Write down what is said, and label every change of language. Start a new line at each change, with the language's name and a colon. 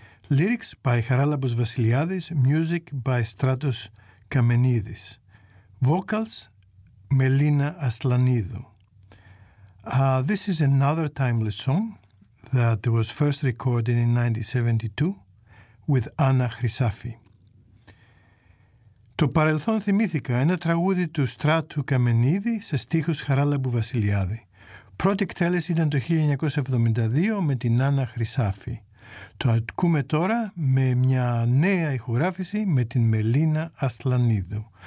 English: Lyrics by Χαράλαμπος Βασιλιάδης. Music by Στράτος Καμενίδης. Vocals Μελίνα Ασλανίδου. This is another timeless song that was first recorded in 1972 with Άννα Χρυσάφη.
Greek: Το παρελθόν θυμήθηκα. Ένα τραγούδι του Στράτου Καμενίδη σε στίχους Χαράλαμπου Βασιλιάδη. Πρώτη εκτέλεση ήταν το 1972 με την Άννα Χρυσάφη. Το ακούμε τώρα με μια νέα ηχογράφηση με την Μελίνα Ασλανίδου.